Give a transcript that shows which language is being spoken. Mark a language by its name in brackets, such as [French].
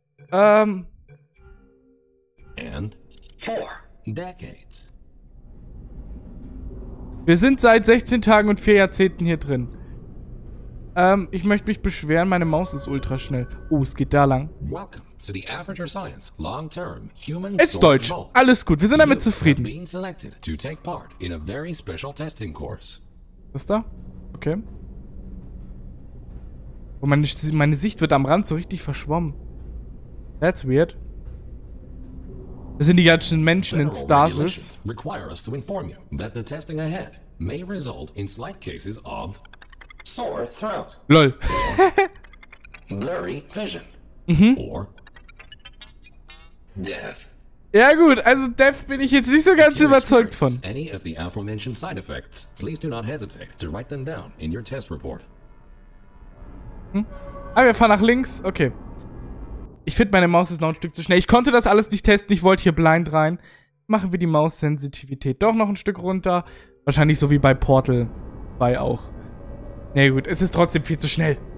[English] And four decades. [German] Wir sind seit 16 Tagen und 4 Jahrzehnten hier drin. Ich möchte mich beschweren, meine Maus ist ultra schnell. Oh, es geht da lang. [English] Welcome to the Aperture Science Long-Term Human [German] Storage Vault. Ist Deutsch. Alles gut, wir sind damit zufrieden. [English] You have been selected to take part in a very special testing course. [German] Was da? Okay. Oh, meine Sicht wird am Rand so richtig verschwommen. [English] That's weird. [German] Das sind die ganzen Menschen in Stasis. [English] Federal regulations require us to inform you that the testing ahead may result in slight cases of sore throat. Lol. Blurry vision. Mhm. Or death. [German] Ja gut, also death bin ich jetzt nicht so ganz überzeugt von. [English] Any of the aforementioned side effects, please do not hesitate to write them down in your test report. Hm? [German] Ah, wir fahren nach links. Okay. Ich finde, meine Maus ist noch ein Stück zu schnell. Ich konnte das alles nicht testen. Ich wollte hier blind rein. Machen wir die Maus-Sensitivität doch noch ein Stück runter. Wahrscheinlich so wie bei Portal 2 auch. Na nee, gut, es ist trotzdem viel zu schnell.